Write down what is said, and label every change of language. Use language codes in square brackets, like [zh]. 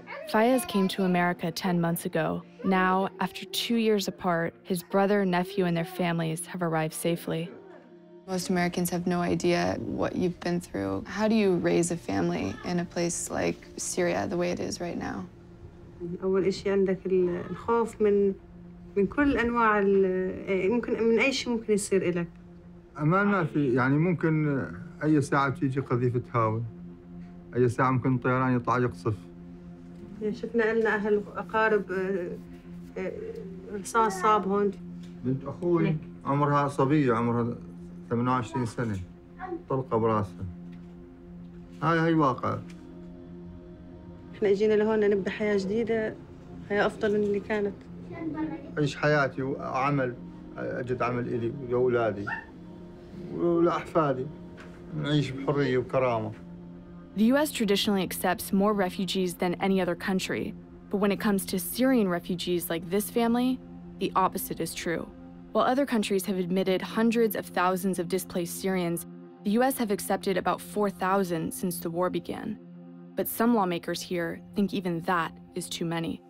[en] Fayez came to America 10 months ago. Now, after 2 years apart, his brother, nephew, and their families have arrived safely. Most Americans have no idea what you've been through. How do you raise a family in a place like Syria, the way it is right now? [ar] أول إشي عندك الخوف من كل الأنواع ممكن من أي شيء ممكن يصير إلك. أمان ما في يعني ممكن أي ساعة تيجي قذيفة هاوي. أي ساعة ممكن الطيران يطلع يقصف. شفنا لنا أهل أقارب رصاص صاب هون. بنت أخوي عمرها صبية عمرها 28 سنة طلقة براسها. هاي واقع. إحنا إجينا لهون نبدأ حياة جديدة حياة أفضل من اللي كانت. أعيش حياتي وعمل أجد عمل إلي ولأولادي ولأحفادي نعيش بحرية وكرامة. [en] The U.S. traditionally accepts more refugees than any other country, but when it comes to Syrian refugees like this family, the opposite is true. While other countries have admitted hundreds of thousands of displaced Syrians, the U.S. have accepted about 4,000 since the war began. But some lawmakers here think even that is too many.